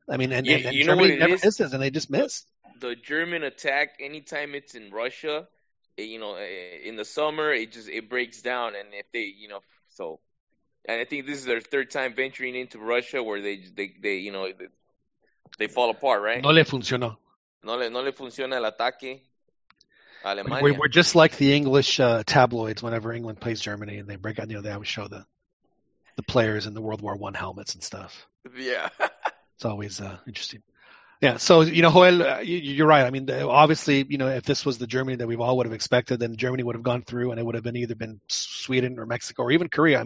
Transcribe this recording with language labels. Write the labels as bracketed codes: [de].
[en] I mean, and you Germany never misses, and they just missed. The German attack, anytime it's in Russia, you know, in the summer, it breaks down. And if they, you know, so, and I think this is their third time venturing into Russia where they you know, they fall apart, right? [es] No le funcionó. No le funciona el ataque. Alemania. [en] We're just like the English tabloids whenever England plays Germany and they break out, you know, they always show the players in the World War One helmets and stuff. Yeah. It's always interesting. Yeah, so, you know, Joel, you're right. I mean, obviously, you know, if this was the Germany that we've all would have expected, then Germany would have gone through and it would have been either been Sweden or Mexico or even Korea.